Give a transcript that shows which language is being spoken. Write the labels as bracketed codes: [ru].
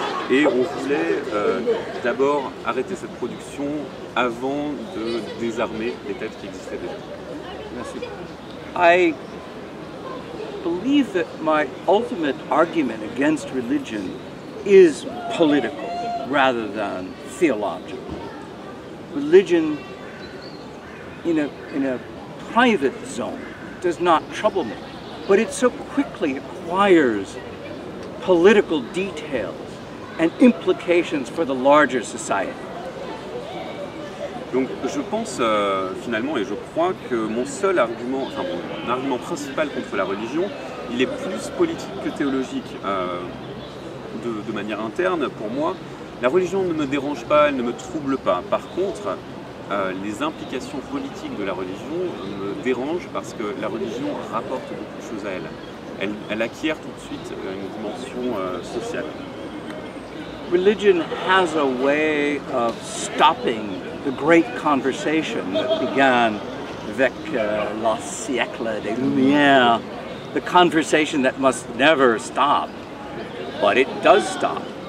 [fr] Et on voulait d'abord arrêter cette production avant de désarmer les têtes qui existaient déjà. Merci. [en] I believe that my ultimate argument against religion is political rather than theological. Religion in a private zone does not trouble me, but it so quickly acquires political details and implications for the larger society. [fr] Donc je pense finalement, et je crois que mon seul argument, enfin mon argument principal contre la religion, il est plus politique que théologique. De manière interne, pour moi, la religion ne me dérange pas, elle ne me trouble pas. Par contre, les implications politiques de la religion me dérangent parce que la religion rapporte beaucoup de choses à elle. Elle acquiert tout de suite une dimension sociale. [en] Religion has a way of stopping the great conversation that began [fr] avec le siècle des Lumières, [en] the conversation that must never stop, but it does stop.